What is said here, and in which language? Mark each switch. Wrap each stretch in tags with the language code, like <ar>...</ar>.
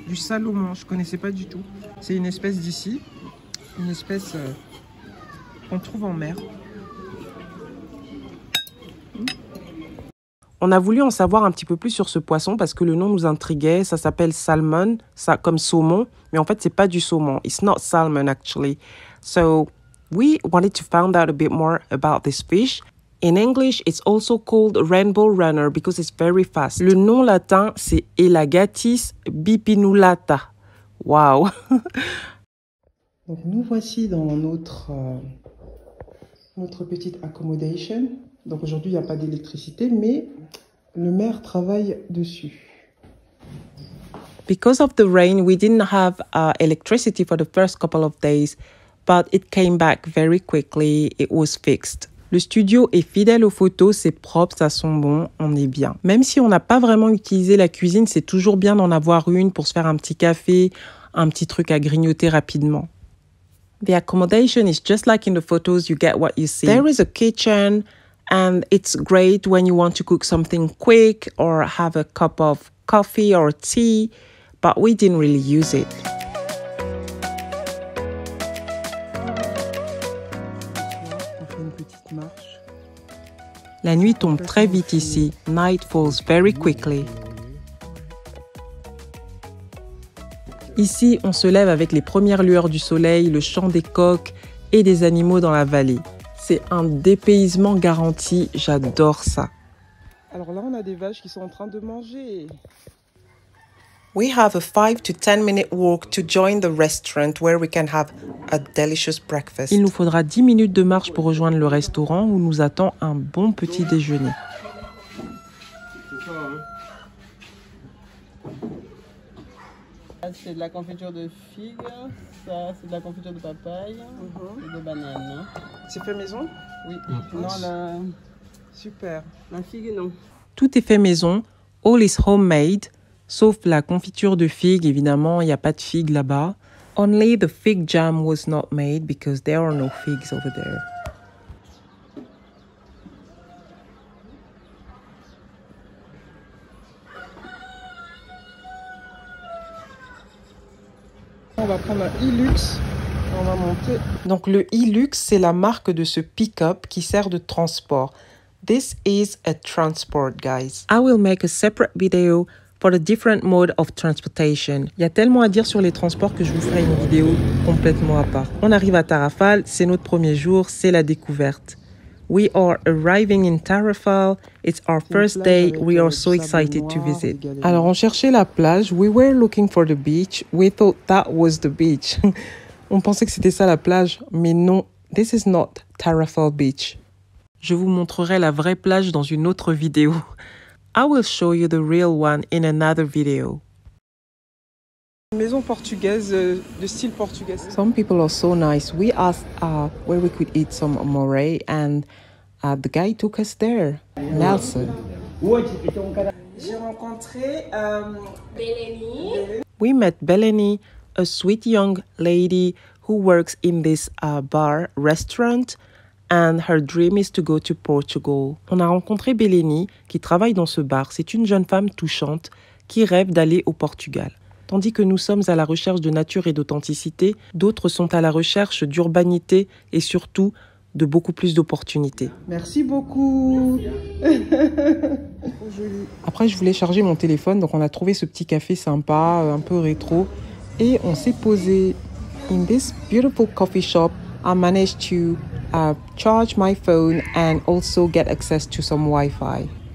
<fr>Du salomon, je connaissais pas du tout. C'est une espèce d'ici, une espèce qu'on trouve en mer. On a voulu en savoir un petit peu plus sur ce poisson parce que le nom nous intriguait. Ça s'appelle salmon, ça, comme saumon, mais en fait, ce n'est pas du saumon.</fr> <en>It's not salmon, actually. So, we wanted to find out a bit more about this fish. In English, it's also called rainbow runner because it's very fast.</en> <fr>Le nom latin, c'est Elagatis bipinulata. Wow! Donc, nous voici dans notre petite accommodation. Donc aujourd'hui, il n'y a pas d'électricité, mais le maire travaille dessus.</fr> <en>Because of the rain, we didn't have electricity for the first couple of days, but it came back very quickly. It was fixed.</en> <fr>Le studio est fidèle aux photos, c'est propre, ça sent bon, on est bien. Même si on n'a pas vraiment utilisé la cuisine, c'est toujours bien d'en avoir une pour se faire un petit café, un petit truc à grignoter rapidement.</fr> <en>The accommodation is just like in the photos, you get what you see. There is a kitchen. And it's great when you want to cook something quick or have a cup of coffee or tea, but we didn't really use it.</en> <fr>La nuit tombe très vite ici.</fr> <en>Night falls very quickly.</en> <fr>Ici, on se lève avec les premières lueurs du soleil, le chant des coqs et des animaux dans la vallée. C'est un dépaysement garanti, j'adore ça. Alors là, on a des vaches qui sont en train de manger.</fr> <en>We have a 5 to 10 minute walk to join the restaurant where we can have a delicious breakfast.</en> <fr>Il nous faudra 10 minutes de marche pour rejoindre le restaurant où nous attend un bon petit déjeuner. C'est ça, hein? C'est de la confiture de figues. Ça, c'est de la confiture de papaye et de banane. C'est fait maison? Oui. Non, la... Super. La figue, non. Tout est fait maison.</fr> <en>All is homemade.</en> <fr>Sauf la confiture de figues, évidemment, il n'y a pas de figues là-bas.</fr> <en>Only the fig jam was not made because there are no figs over there.</en> <fr>On va prendre un Hilux et on va monter. Donc le Hilux, c'est la marque de ce pick-up qui sert de transport.</fr> <en>This is a transport, guys. I will make a separate video for the different mode of transportation.</en> <fr>Il y a tellement à dire sur les transports que je vous ferai une vidéo complètement à part. On arrive à Tarrafal, c'est notre premier jour, c'est la découverte.</fr> <en>We are arriving in Tarrafal. It's our first day. We are so excited to visit.</en> <fr>Alors, on cherchait la plage.</fr> <en>We were looking for the beach. We thought that was the beach.</en> <fr>On pensait que c'était ça la plage, mais non.</fr> <en>This is not Tarrafal Beach.</en> <fr>Je vous montrerai la vraie plage dans une autre vidéo.</fr> <en>I will show you the real one in another video.</en> <fr>Maison portugaise, de style portugais.</fr> <en>Some people are so nice. We asked where we could eat some moray and the guy took us there, Nelson.</en> <fr>J'ai rencontré Beleni.</fr> <en>We met Beleni, a sweet young lady who works in this bar restaurant. And her dream is to go to Portugal.</en> <fr>On a rencontré Beleni, qui travaille dans ce bar. C'est une jeune femme touchante qui rêve d'aller au Portugal. Tandis que nous sommes à la recherche de nature et d'authenticité, d'autres sont à la recherche d'urbanité et surtout de beaucoup plus d'opportunités. Merci beaucoup. Après, je voulais charger mon téléphone, donc on a trouvé ce petit café sympa, un peu rétro. Et on s'est posé.</fr> <en>In this beautiful coffee shop, I managed to charge my phone and also get access to some Wi-Fi.</en>